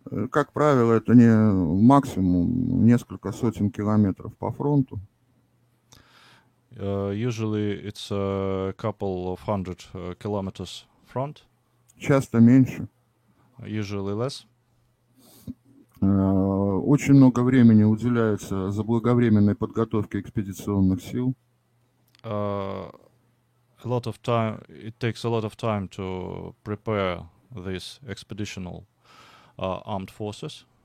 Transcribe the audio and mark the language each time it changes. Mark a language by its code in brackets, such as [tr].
[ru] Как правило, это не максимум несколько сотен километров по фронту. [en] Usually it's a couple of hundred kilometers front. [ru] Часто меньше. [en] Usually less. [ru] Очень много времени уделяется заблаговременной подготовке экспедиционных сил. [en] A lot of time, it takes a lot of time to prepare this expeditional armed forces.